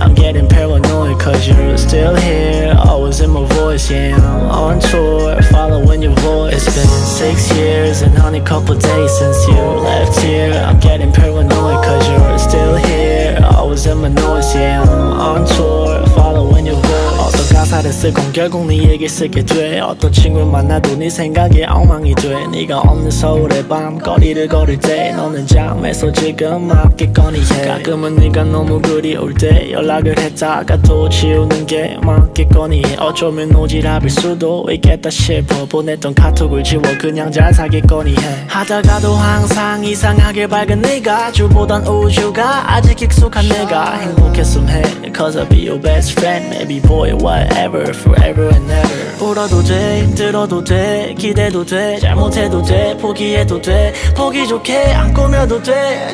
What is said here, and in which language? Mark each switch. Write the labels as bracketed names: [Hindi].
[English] I'm getting paranoid cause you're still here. Always in my voice, yeah, I'm on tour, following your voice. It's been 6 years and only couple days since you left here. I'm getting paranoid cause you're still here. Always in my noise, yeah, I'm on tour, following your voice. [Korean] 가사를 쓰고 결국 네에게 쓰게 돼. 어떤 친구를 만나도 네 생각이 엉망이 돼. 네가 없는 서울의 밤 거리를 걸을 때 너는 잠에서 지금 막 깨거니 해. 가끔은 네가 너무 그리울 때 연락을 했다가 또 지우는 게 막 깨거니 해. 어쩌면 오지랖일 수도 있겠다 싶어 보냈던 카톡을 지워 그냥 잘 사겠거니 해. 하다가도 항상 이상하게 밝은 네가 주보단 우주가 아직 익숙한 내가 행복했음 해. [English] Cause I'll be your best friend maybe boy what ever, forever and ever. [Korean] 울어도 돼, 들어도 돼, 기대도 돼, 잘못해도 돼, 포기해도 돼, 보기 좋게 안 꾸며도 돼.